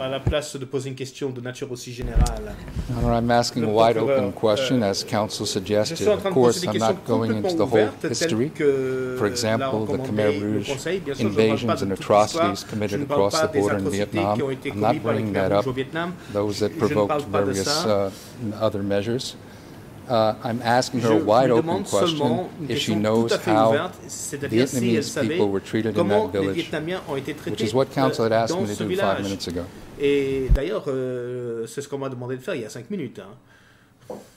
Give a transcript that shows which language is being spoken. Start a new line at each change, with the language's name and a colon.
French: À la place de poser une question de nature aussi générale.
English: Honor, I'm asking a wide open question as counsel suggested. Of course, I'm not going into the whole history. For example, the Khmer Rouge invasions and atrocities committed across the border in Vietnam. I'm not bringing that up, those that provoked various other measures. I'm asking her a wide-open question, if she knows how Vietnamese people were treated in that village, which is what counsel had asked me to do 5 minutes ago.
French: Et d'ailleurs, c'est ce qu'on m'a demandé de faire il y a 5 minutes. Hein.